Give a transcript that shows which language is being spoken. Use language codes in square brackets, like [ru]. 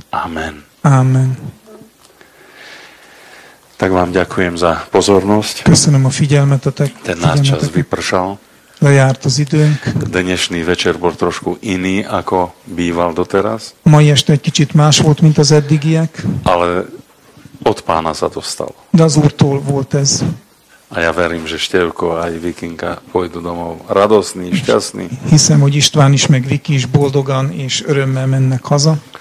[sk] Amen. [hu] Amen. [sk] Tak vám ďakujem za pozornosť. [hu] Köszönöm a figyelmetetek. [sk] Ten náš čas vypršal. [hu] Lejárt az időnk. [sk] Dnešný večer bol trošku iný, ako býval doteraz. [hu] Mai este egy kicsit más volt, mint az eddigiek. [sk] Ale od Pána sa dostalo. [hu] De az Úrtól volt ez. [sk] A ja verím, že Števko aj Vikinka pôjdu domov radosný, šťastný. [hu] Hiszem, hogy István is, meg Viki is boldogan és örömmel mennek haza.